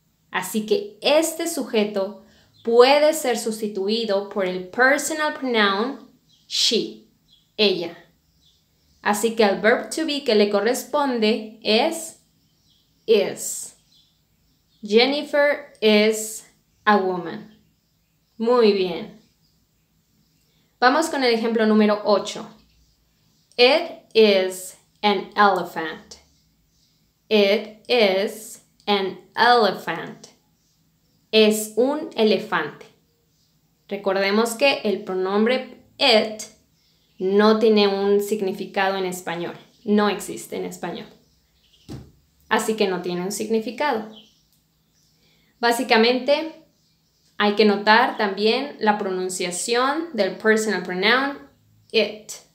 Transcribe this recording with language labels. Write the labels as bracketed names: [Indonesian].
[Spanish] Así que este sujeto puede ser sustituido por el personal pronoun she, ella. Así que el verb to be que le corresponde es is. [English] Jennifer is a woman. [Spanish] Muy bien. Vamos con el ejemplo número 8. [English] It is an elephant. It is an elephant. [Spanish] Es un elefante. Recordemos que el pronombre it no tiene un significado en español. No existe en español. Así que no tiene un significado. Básicamente, hay que notar también la pronunciación del personal pronoun it.